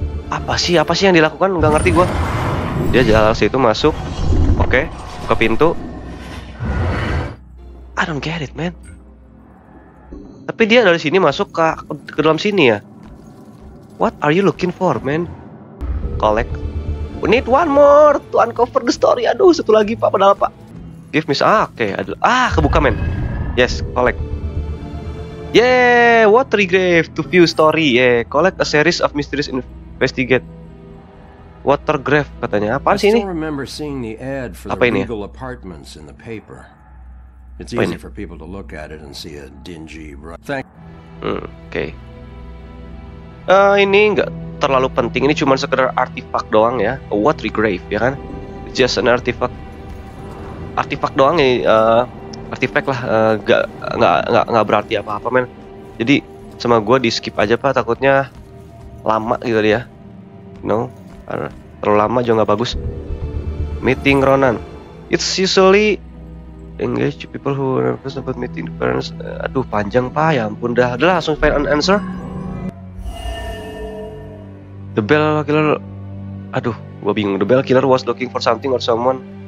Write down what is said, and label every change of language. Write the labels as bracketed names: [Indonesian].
[Indonesian] Apa sih yang dilakukan? Nggak ngerti gue. Dia jalan situ masuk. Oke, okay, buka pintu. [English] I don't get it, man. [Indonesian] Tapi dia dari sini masuk ke dalam sini ya. [English] What are you looking for, man? Collect. We need one more to uncover the story. [Indonesian] Aduh, satu lagi, Pak. Padahal, Pak. [English] Give me... [Indonesian] kebuka, man. [English] Yes, collect. Yeah, watery grave to view story. Yeah, collect a series of mysteries investigate. Water grave [Indonesian] katanya. Apaan sih ini? [English] I remember seeing the ad for the Regal Apartments in the paper. It's easy for people to look at it and see a dingy. [Indonesian] Okay. Ini enggak terlalu penting. Ini cuma sekedar artifact doang ya. [English] A watery grave, [Indonesian] ya kan? [English] Just an artifact. [Indonesian] Artifact doang ya. Artifact lah, nggak berarti apa-apa, men. Jadi sama gue di skip aja, Pak, takutnya lama gitu ya. No, terlalu lama juga nggak bagus. [English] Meeting Ronan, it's usually English people who nervous about meeting the parents. [Indonesian] Aduh, panjang, Pak, ya ampun, dah langsung [English] find an answer. The bell killer, [Indonesian] aduh, gue bingung. [English] The bell killer was looking for something or someone.